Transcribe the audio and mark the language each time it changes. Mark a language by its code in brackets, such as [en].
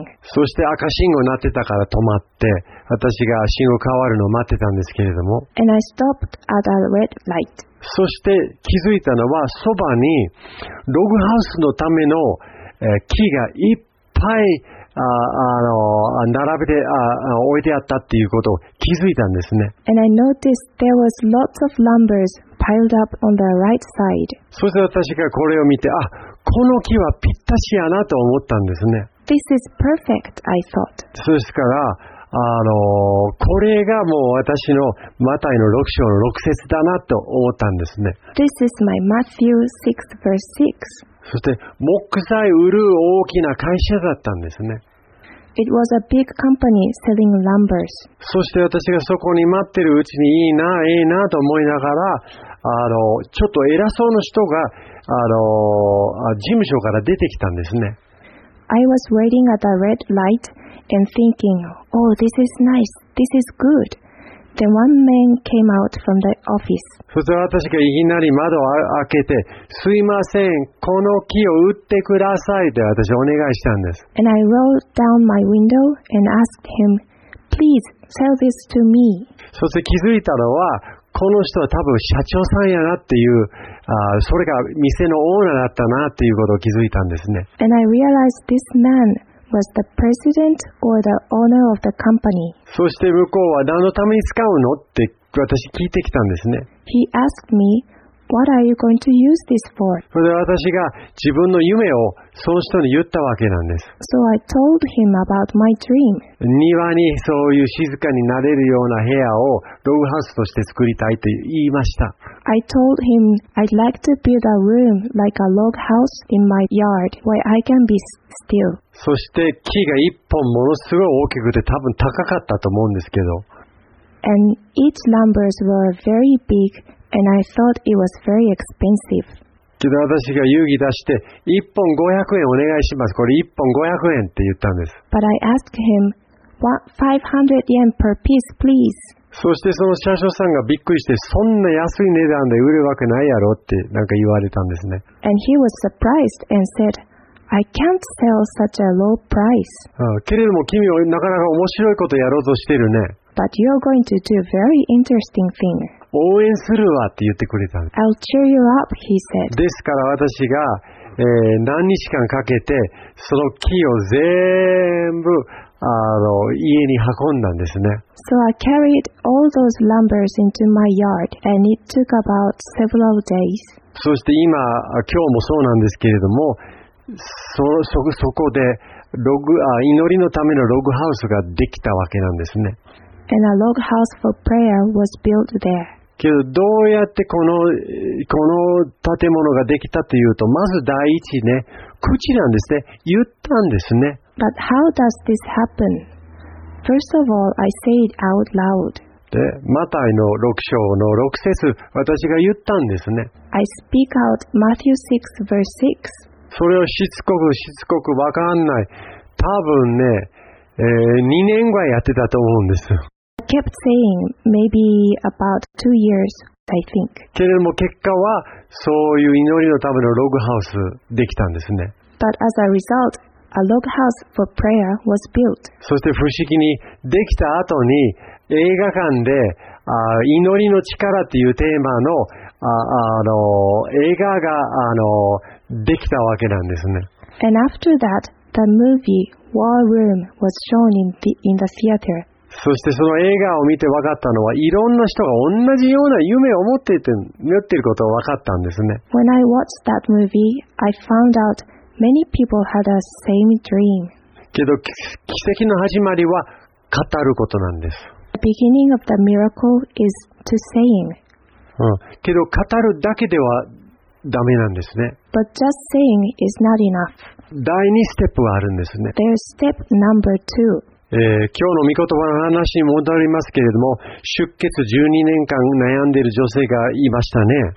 [ja] そして赤信号になってたから止まって、私が信号変わるのを待ってたんですけれども。 [en] And I stopped at a red light. [ja] そして気づいたのは、そばにログハウスのための木がいっぱい並べて置いてあったっていうことを気づいたんですね。 [en] And I noticed there was lots of lumbers. Piled up on the right side. [ja] そして私がこれを見て、あ、この木はぴったしやなと思ったんですね。 [en] This is perfect, I thought. [ja] そしたら、これがもう私のマタイの6章の6節だなと思ったんですね。 [en] This is my Matthew 6 verse 6. [ja] そして木材売る大きな会社だったんですね。 [en] It was a big company selling lumbers. [ja] そして私がそこに待ってるうちにいいなと思いながら、ちょっと偉そうな人が事務所から出てきたんですね。 [en] I was waiting at a red light and thinking, oh, this is nice, this is good. Then one man came out from the office. [ja] そして私がいきなり窓を開けて、すいません、この木を売ってくださいって私お願いしたんです。 [en] And I rolled down my window and asked him, please sell this to me. [ja] そして気づいたのは、この人は多分社長さんやなっていう、それが店のオーナーだったなっていうことを気づいたんですね。 [en] And I realized this man was the president or the owner of the company. [ja] そして向こうは何のために使うのって私聞いてきたんですね。 [en] He asked me, what are you going to use this for? [ja] それで私が自分の夢をその人に言ったわけなんです。 [en] So I told him about my dream. [ja] 庭にそういう静かになれるような部屋をログハウスとして作りたいと言いました。 [en] I told him I'd like to build a room like a log house in my yard where I can be still. [ja] そして木が一本ものすごい大きくて多分高かったと思うんですけど。 [en] And its lumbers were very big and I thought it was very expensive. [ja] けど私が勇気出して1本500円お願いしますこれ1本500円って言ったんです。 [en] But I asked him, what 500 yen per piece, please? [ja] そしてその社長さんがびっくりしてそんな安い値段で売るわけないやろってなんか言われたんですね。 [en] And he was surprised and said, I can't sell such a low price. [ja] けれども君はなかなか面白いことをやろうとしてるね。 [en] But you're going to do very interesting thing. [ja] 応援するわって言ってくれたんです。 [en] I'll cheer you up, he said. [ja] ですから私が、何日間かけてその木を全部あの家に運んだんですね。 [en] So I carried all those lumbers into my yard, and it took about several days. [ja] そして今、今日もそうなんですけれども、そこでログ、祈りのためのログハウスができたわけなんですね。 [en] And a log house for prayer was built there. [ja] けどどうやってこの建物ができたというと、まず第一ね、口なんですね。言ったんですね。 [en] But how does this happen? First of all, I say it out loud. [ja] で、マタイの6章の6節、私が言ったんですね。 [en] I speak out Matthew 6 verse 6. [ja] それをしつこく分かんない。多分ね、2年ぐらいやってたと思うんです。 [en] I kept saying maybe about 2 years, I think. [ja] けれども結果はそういう祈りのためのログハウスできたんですね。 [en] But as a result,A log house for prayer was built. [ja] そして不思議にできた後に映画館で祈りの力っていうテーマの映画ができたわけなんですね。 [en] And after that, the movie War Room was shown in the theater. [ja] そしてその映画を見て分かったのは、いろんな人が同じような夢を持っていることを分かったんですね。 [en] When I watched that movie, I found out. Many people had the same dream. [ja] けど奇跡の始まりは語ることなんです。 [en] The beginning of the miracle is to saying. [ja] けど語るだけではダメなんですね。 [en] But just saying is not enough. [ja] 第二ステップがあるんですね。 [en] There's step number two. [ja] 今日の御言葉の話に戻りますけれども、出血12年間悩んでいる女性がいましたね。